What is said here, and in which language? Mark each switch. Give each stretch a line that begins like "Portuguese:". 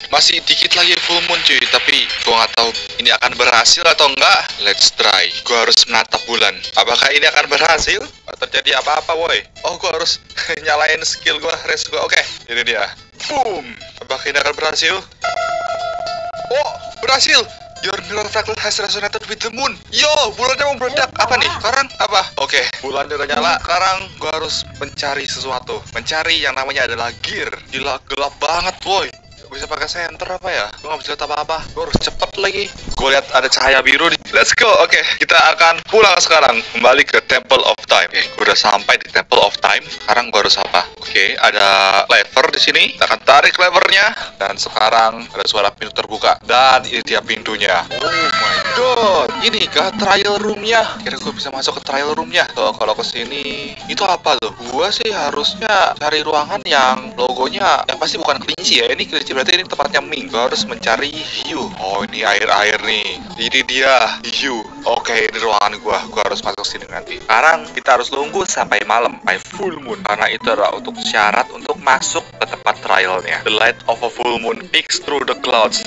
Indonesian: Masih dikit lagi full moon cuy. Tapi gua gak tahu ini akan berhasil atau enggak. Let's try. Gua harus menatap bulan. Apakah ini akan berhasil? Terjadi apa-apa woy. Oh, gua harus nyalain skill gua, res gua. Oke, ini dia. Boom. Apakah ini akan berhasil? Oh, berhasil.
English: Your mirror fractal has resonated with the moon.
Indonesian: Yo, bulannya mau meledak. Apa nih? Sekarang apa? Oke, bulannya udah nyala. Sekarang gua harus mencari sesuatu. Mencari yang namanya adalah gear. Gila, gelap banget, woy. Bisa pakai senter apa ya? Gua gak bisa lihat apa-apa. Gua harus cepet lagi. Gua lihat ada cahaya biru di. Let's go. Oke, kita akan pulang sekarang. Kembali ke Temple of Time. Oke, gua udah sampai di Temple of Time. Sekarang gua harus apa? Oke, ada lever di sini. Kita akan tarik levernya. Dan sekarang ada suara pintu terbuka. Dan ini dia pintunya. Oh my god. Ini kah trial roomnya? Kira gua bisa masuk ke trial roomnya. Tuh, kalau kesini. Itu apa tuh? Gua sih harusnya cari ruangan yang logonya. Yang pasti bukan kelinci ya. Ini kelinci. Berarti ini tempatnya Ming. Gua harus mencari hiu. Oh, ini air-air nih. Ini dia, hiu. Oke, ini ruangan gua. Gua harus masuk sini nanti. Sekarang kita harus nunggu sampai malam. My full moon. Karena itu adalah untuk syarat untuk masuk ke tempat trialnya.
English: The light of a full moon peeks through the clouds.